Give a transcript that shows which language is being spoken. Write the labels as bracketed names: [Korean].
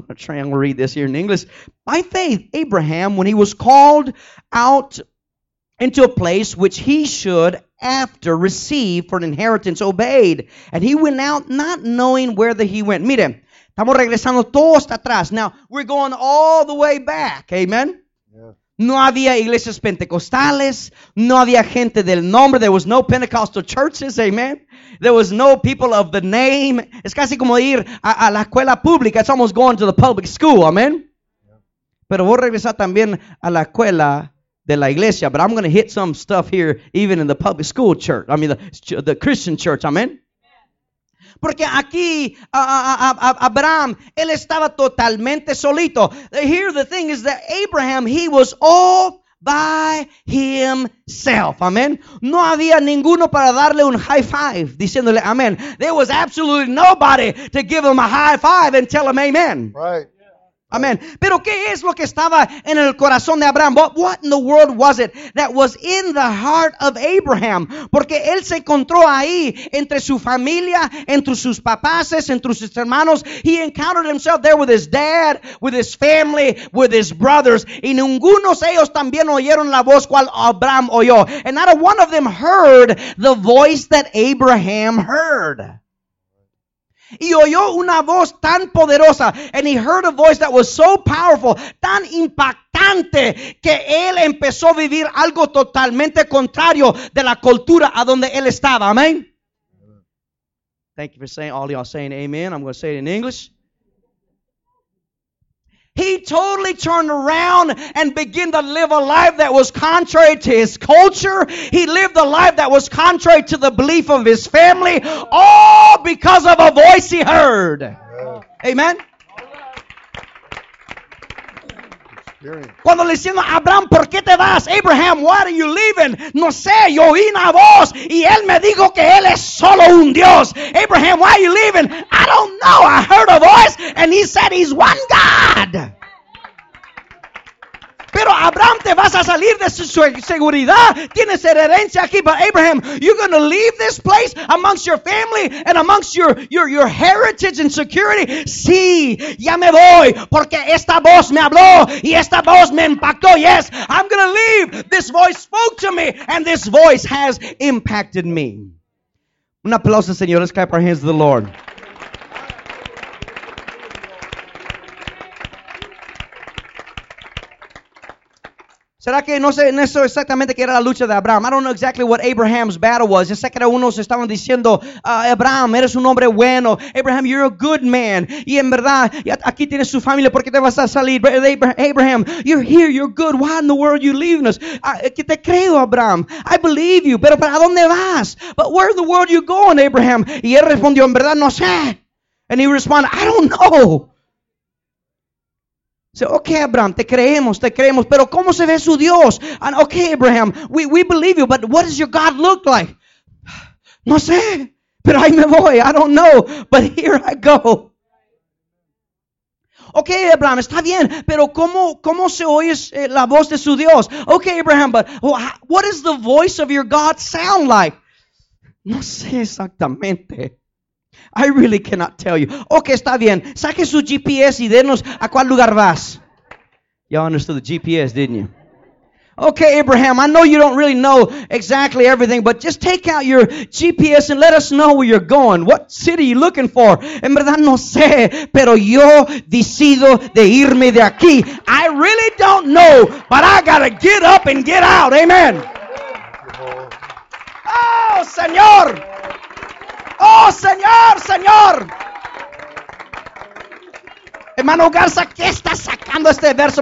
[English] I'm going to try and read this here in English. By faith, Abraham, when he was called out into a place which he should after receive for an inheritance, obeyed. And he went out not knowing whether he went. [Spanish] Miren, estamos regresando todos atrás. [English] Now, we're going all the way back. Amen. [Spanish] No había iglesias pentecostales, no había gente del nombre, [English] there was no Pentecostal churches, amen. There was no people of the name. [Spanish] Es casi como ir a la escuela pública, [English] it's almost going to the public school, amen. [Spanish] Pero voy a regresar también a la escuela de la iglesia, [English] but I'm going to hit some stuff here even in the public school church, I mean the Christian church, amen. [Spanish] Porque aquí Abraham, él estaba totalmente solito. [English] Here the thing is that Abraham, he was all by himself. Amen. [Spanish] No había ninguno para darle un high five, diciéndole amen. [English] There was absolutely nobody to give him a high five and tell him amen. Right. Amen. [Spanish] Pero ¿qué es lo que estaba en el corazón de Abraham? [English] What in the world was it that was in the heart of Abraham? [Spanish] Porque él se encontró ahí entre su familia, entre sus papás, entre sus hermanos. [English] He encountered himself there with his dad, with his family, with his brothers. [Spanish] Y ninguno de ellos también oyeron la voz cual Abraham oyó. [English] And not a one of them heard the voice that Abraham heard. [Spanish] Y oyó una voz tan poderosa, [English] and he heard a voice that was so powerful, [Spanish] tan impactante, que él empezó a vivir algo totalmente contrario de la cultura a donde él estaba. Amen. [English] Thank you for saying all y'all saying amen. I'm going to say it in English. He totally turned around and began to live a life that was contrary to his culture. He lived a life that was contrary to the belief of his family, all because of a voice he heard. Yeah. Amen. [Spanish] Cuando le diciendo a Abraham, ¿por qué te vas? [English] Abraham, why are you leaving? [Spanish] No sé, yo oí una voz y él me dijo que él es solo un Dios. [English] Abraham, why are you leaving? I don't know, I heard a voice and he said he's one God. [Spanish] Pero Abraham, te vas a salir de su seguridad. Tienes herencia aquí. [English] But Abraham, you're going to leave this place amongst your family and amongst your heritage and security. [Spanish] Sí, ya me voy porque esta voz me habló y esta voz me impactó. [English] Yes, I'm going to leave. This voice spoke to me and this voice has impacted me. [Spanish] Un aplauso, señor. [English] Let's clap our hands to the Lord. [Spanish] ¿Será que no sé en eso exactamente qué era la lucha de Abraham? [English] I don't know exactly what Abraham's battle was. [Spanish] Yo sé que algunos estaban diciendo, Abraham, eres un hombre bueno. [English] Abraham, you're a good man. [Spanish] Y en verdad, aquí tienes su familia. ¿Por qué te vas a salir? [English] Abraham, you're here, you're good. Why in the world are you leaving us? [Spanish] Que te creo, Abraham. [English] I believe you. [Spanish] Pero ¿para dónde vas? [English] But where in the world are you going, Abraham? Y él respondió, en verdad, no sé. And he responded, I don't know. Say, okay, [Spanish] Abraham, te creemos, pero ¿cómo se ve su Dios? [English] And okay, Abraham, we believe you, but what does your God look like? [Spanish] No sé, pero ahí me voy, [English] I don't know, but here I go. [Spanish] Okay, Abraham, está bien, pero ¿cómo se oye la voz de su Dios? [English] Okay, Abraham, but what does the voice of your God sound like? [Spanish] No sé exactamente. [English] I really cannot tell you. Okay, [Spanish] está bien. Saque su GPS y denos a cuál lugar vas. [English] Y'all understood the GPS, didn't you? Okay, Abraham, I know you don't really know exactly everything, but just take out your GPS and let us know where you're going. What city are you looking for? [Spanish] En verdad no sé, pero yo decido de irme de aquí. [English] I really don't know, but I gotta get up and get out. Amen. Oh, Señor. [Spanish] Oh, Señor, Señor. Hermano Garza, ¿qué está sacando este verso?